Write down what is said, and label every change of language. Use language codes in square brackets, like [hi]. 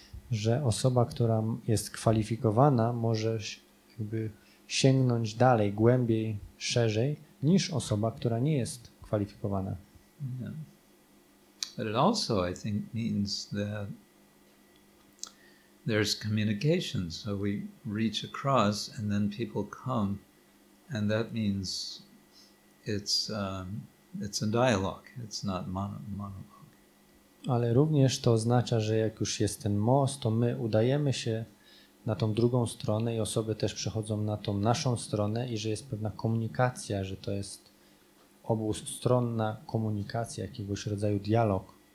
[pl] Że osoba, która jest kwalifikowana, może jakby sięgnąć dalej, głębiej, szerzej niż osoba, która nie jest kwalifikowana. [en] Yeah. But it also, I think, means that there's communication. So we reach across and then people come, and that means it's a dialogue. It's not monologue. [pl] Ale również to oznacza, że jak już jest ten most, to my udajemy się na tą drugą stronę i osoby też przechodzą na tą naszą stronę i że jest pewna komunikacja, że to jest obustronna komunikacja, jakiegoś rodzaju dialog.